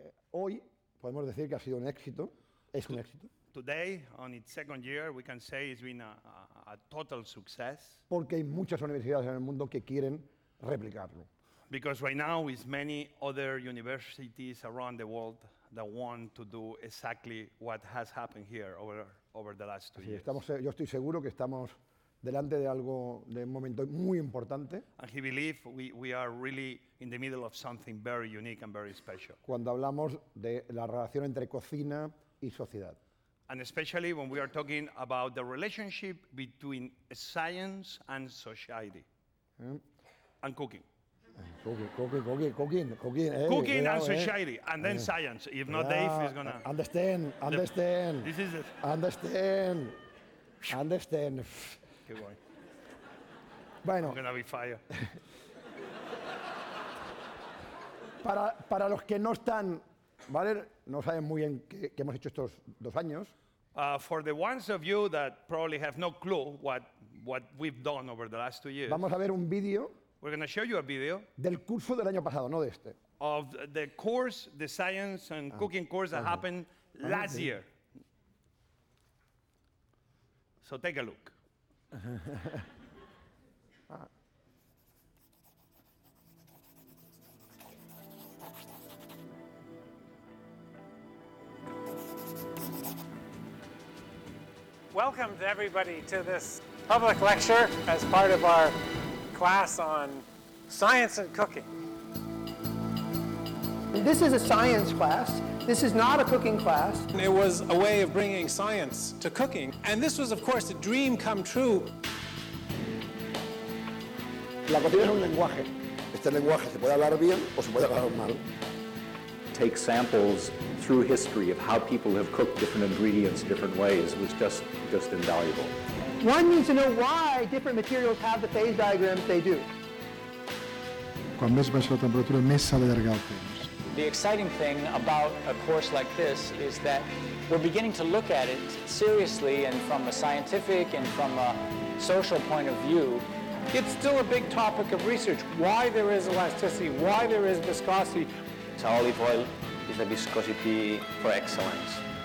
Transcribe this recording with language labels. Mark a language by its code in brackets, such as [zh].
[es] Hoy podemos decir que ha sido un éxito. Es un éxito. [en] Today, on its second year, we can say it's been a total success. [es] Porque hay muchas universidades en el mundo que quieren replicarlo. [en] Because right now, it's many other universities around the world that want to do exactly what has happened here over the last two years. [es] Estamos, yo estoy seguro que estamos delante de algo, de un momento muy importante. [en] And he believes we are really in the middle of something very unique and very special. [es] Cuando hablamos de la relación entre cocina y sociedad. [en] And especially when we are talking about the relationship between science and society. And cooking. Cooking and society, and then science. If not, Dave is going to... Understand. This is it. Understand. [es] Qué guay. Bueno. [en] I'm going to be fired. [es] Para los que no están, ¿vale? No saben muy bien qué hemos hecho estos dos años. [en] For the ones of you that probably have no clue what we've done over the last 2 years. [es] Vamos a ver un video. [en] We're going to show you a video. [es] Del curso del año pasado, no de este. [en] Of the course, the science and cooking course that happened last year. So take a look. Welcome to everybody to this public lecture as part of our class on science and cooking. This is a science class. This is not a cooking class. It was a way of bringing science to cooking. And this was, of course, a dream come true. [es] La cocina es un lenguaje. Este lenguaje se puede hablar bien o se puede hablar mal. [en] Take samples through history of how people have cooked different ingredients different ways was just invaluable. One needs to know why different materials have the phase diagrams they do. [ca] Quan més baixa la temperatura, més s'ha allargat el temps. [en] The exciting thing about a course like this is that we're beginning to look at it seriously and from a scientific and from a social point of view. It's still a big topic of research, why there is elasticity, why there is viscosity. So olive oil is a viscosity for excellence.